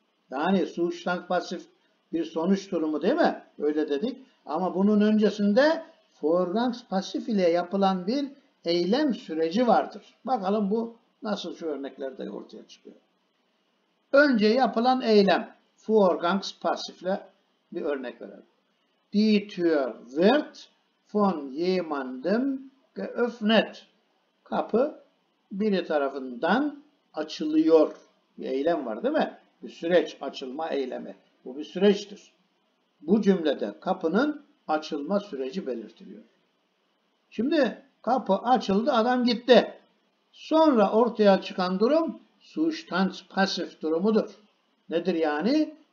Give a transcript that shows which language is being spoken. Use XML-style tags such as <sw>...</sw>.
<tr>Yani Zustands passiv bir sonuç durumu, değil mi? Öyle dedik. Ama bunun öncesinde Vorgangs passiv ile yapılan bir eylem süreci vardır. Bakalım bu nasıl şu örneklerde ortaya çıkıyor. Önce yapılan eylem, Vorgangs passiv ile bir örnek verelim.</tr> <de>Die Tür wird von jemandem geöffnet.</de> <tr>Kapı biri tarafından açılıyor. Bir eylem var, değil mi? Bir süreç, açılma eylemi. Bu bir süreçtir. Bu cümlede kapının açılma süreci belirtiliyor. Şimdi kapı açıldı, adam gitti. Sonra ortaya çıkan durum Zustands passiv durumudur. Nedir yani?</tr>